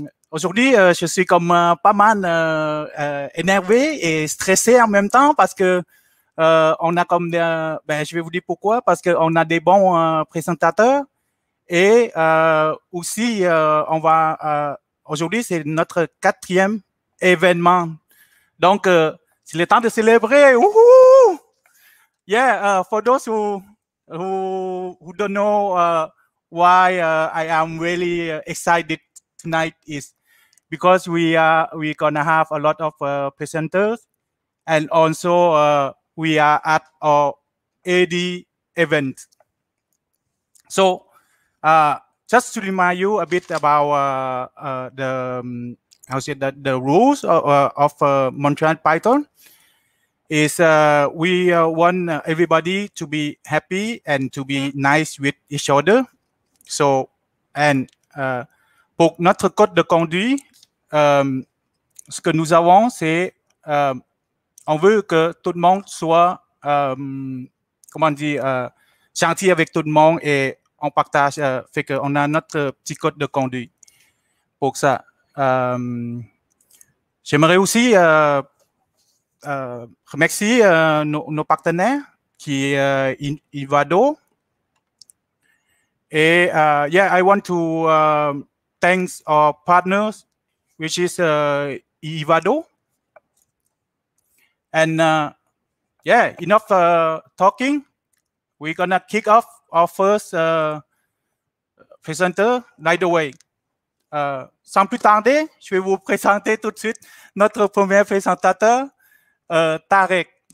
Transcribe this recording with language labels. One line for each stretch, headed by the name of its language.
French: Aujourd'hui, je suis comme pas mal énervé et stressé en même temps parce que on a comme je vais vous dire pourquoi, parce que on a des bons présentateurs et aussi on va aujourd'hui c'est notre quatrième événement. Donc c'est le temps de célébrer. Woohoo!
English: Yeah, for those who don't know why I am really excited tonight is because we gonna have a lot of presenters, and also we are at our AD event. So just to remind you a bit about the rules of Montreal Python is we want everybody to be happy and to be nice with each other.
French: So, and pour notre code de conduite, ce que nous avons, c'est on veut que tout le monde soit, gentil avec tout le monde et on partage, fait qu'on a notre petit code de conduite pour ça. J'aimerais aussi remercier nos partenaires qui est Ivado.
English: Et I want to thanks our partners, which is Ivado. And enough talking. We're gonna kick off our first presenter right away.
French: Sans plus tarder, je vais vous présenter tout de suite notre premier présentateur, Tarek.